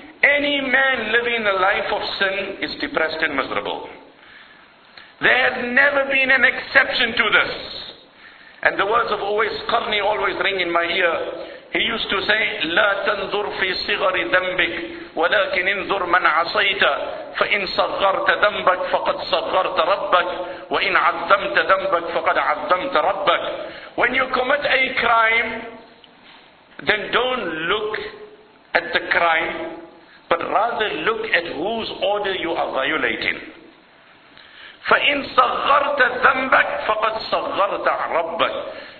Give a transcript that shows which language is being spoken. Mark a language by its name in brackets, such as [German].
[English] Any man living a life of sin is depressed and miserable. There has never been an exception to this. And the words of always Qarni always ring in my ear. He used to say, [Arabic] لَا تَنْظُرْ فِي صِغَرِ ذَنْبِكْ وَلَكِنْ انْظُرْ مَنْ عَصَيْتَ فَإِنْ صَغَّرْتَ ذَنْبَكْ فَقَدْ صَغَّرْتَ رَبَّكْ وَإِنْ عَظَّمْتَ ذَنْبَكْ فَقَدْ عَظَّمْتَ رَبَّكْ. [English] When you commit a crime, then don't look at the crime, but rather look at whose order you are violating. [Arabic] فَإِنْ صَغَّرْتَ ذَنْبَكْ فَقَدْ صَغَّرْتَ رَبَّكْ.